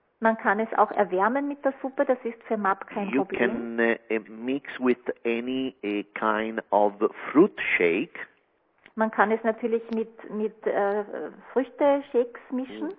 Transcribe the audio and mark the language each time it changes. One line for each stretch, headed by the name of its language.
German: Man kann es auch erwärmen mit der Suppe, das ist für Map kein you Problem.
English: You can mix with any kind of fruit shake.
German: Man kann es natürlich mit Früchte-Shakes mischen.